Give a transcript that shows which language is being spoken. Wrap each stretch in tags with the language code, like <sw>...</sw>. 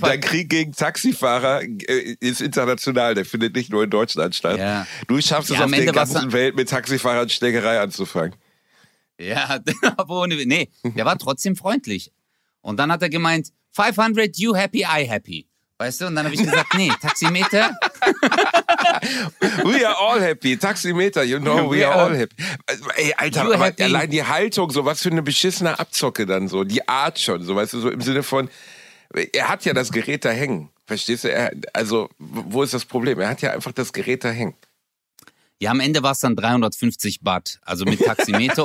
<de>Dein Krieg gegen Taxifahrer ist international, der findet nicht nur in Deutschland statt. Ja. Du schaffst es auf der ganzen Welt mit Taxifahrern Schlägerei anzufangen. Ja, aber ohne... Nee, der war trotzdem freundlich. Und dann hat er gemeint, 500,</de> <en>you happy, I happy.</en> <de>Weißt du, und dann habe ich gesagt, nee, Taximeter.</de> <en>We are all happy, Taximeter, you know, we are all happy.</en> <de>Ey, Alter, aber happy. Allein die Haltung, so was für eine beschissene Abzocke dann so, die Art schon, so weißt du, so im Sinne von, er hat ja das Gerät da hängen, verstehst du? Also, wo ist das Problem? Er hat ja einfach das Gerät da hängen. Ja, am Ende war es dann 350 Baht, also mit Taximeter.</de>